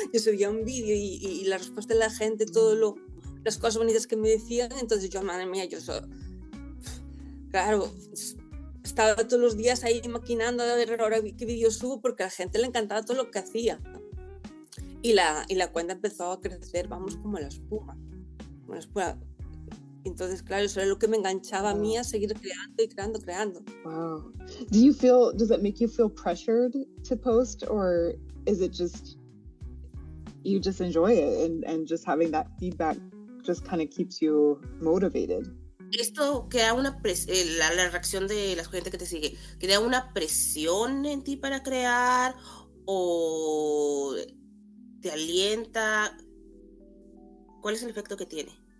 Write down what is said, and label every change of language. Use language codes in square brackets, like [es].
[es] Yo subía un vídeo y la respuesta de la gente, todo lo, las cosas bonitas que me decían, entonces yo, madre mía, yo solo, claro, estaba todos los días ahí maquinando ahora qué vídeo subo, porque a la gente le encantaba todo lo que hacía. Y la cuenta empezó a crecer, vamos, como la espuma. Entonces, claro, eso era lo que me enganchaba a mí a seguir creando y creando, creando. [en] Wow. Does that make you feel pressured to post, or is it just you just enjoy it and just having that feedback just kind of keeps you motivated? [es] Esto crea una la reacción de la gente que te sigue, crea una presión en ti para crear, o te alienta. ¿Cuál es el efecto que tiene?